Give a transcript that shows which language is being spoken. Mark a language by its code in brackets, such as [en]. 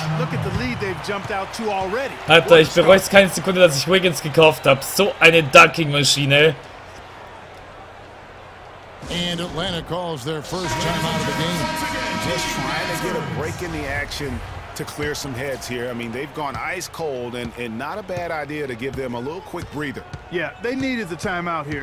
[en] Look at the lead they've jumped out to already. [de] Alter, ich bereue es keine Sekunde, dass ich Wiggins gekauft habe. So eine Dunking-Maschine. [en] And Atlanta calls their first timeout of the game. Just trying to get a break in the action to clear some heads here. I mean, they've gone ice cold, and not a bad idea to give them a little quick breather. Yeah, they needed the timeout here.